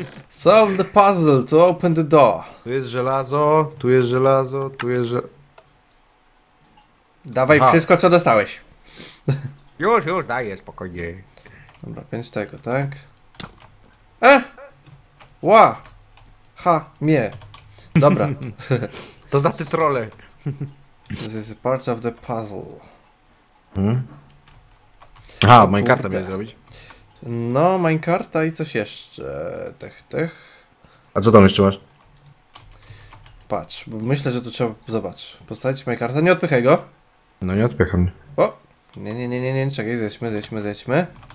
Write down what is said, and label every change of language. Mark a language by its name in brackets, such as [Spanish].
[English] Solve the puzzle to open the door. [Polish] Tu jest żelazo, tu jest żelazo, tu jest żelazo. Dawaj wszystko, co dostałeś. Już, daję, spokojnie. Dobra, 5 tego, tak? Ła! Ha, mnie. Dobra. To za te trolle. [English] This is part of the puzzle. [Polish] Aha, minecarta miałeś zrobić. No, minecarta i coś jeszcze. Tych. A co tam jeszcze masz? Patrz, bo myślę, że tu trzeba zobacz. Postawić minecarta. Nie odpychaj go. No nie odpycham. O! Nie. Czekaj, zjedźmy.